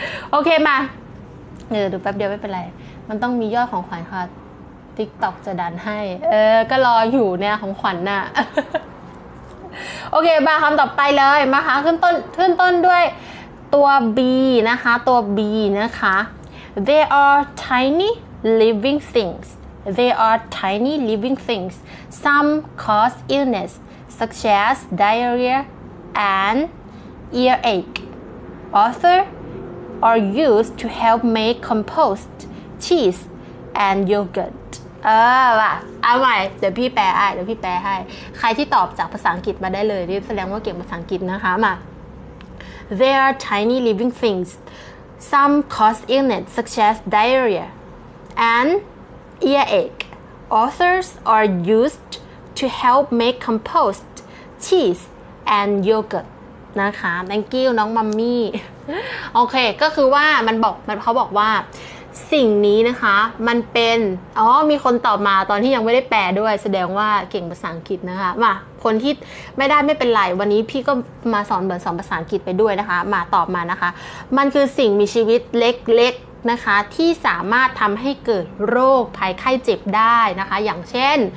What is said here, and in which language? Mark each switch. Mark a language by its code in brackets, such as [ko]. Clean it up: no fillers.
[th] โอเคมาดูแป๊บเดียวไม่เป็นไรมันต้องมียอดของขวัญค่ะ TikTok จะดันให้ก็รออยู่เนี่ยของขวัญน่ะโอเคมาคำต่อไปเลยมาคะขึ้นต้นด้วยตัว B นะคะตัว B นะคะ [en] there are tiny living things they are tiny living things. Some cause illness, such as diarrhea and earache. Others are used to help make compost, cheese, and yogurt. [th] ว่ะเอาใหม่เดี๋ยวพี่แปลให้เดี๋ยวพี่แปลให้ใครที่ตอบจากภาษาอังกฤษมาได้เลยนี่แสดงว่าเก่งภาษาอังกฤษนะคะมา [en] They are tiny living things. Some cause illness, such as diarrhea and earache. Others are used to help make compost, cheese, and yogurt. [th] นะคะ [en] thank you [th] น้องมัมมี่โอเคก็คือว่ามันบอกมันเขาบอกว่าสิ่งนี้นะคะมันเป็นอ๋อมีคนตอบมาตอนที่ยังไม่ได้แปลด้วยแสดงว่าเก่งภาษาอังกฤษนะคะมาคนที่ไม่ได้ไม่เป็นไรวันนี้พี่ก็มาสอนเหมือนสอนภาษาอังกฤษไปด้วยนะคะมาตอบมานะคะมันคือสิ่งมีชีวิตเล็กๆนะคะที่สามารถทำให้เกิดโรคภัยไข้เจ็บได้นะคะอย่างเช่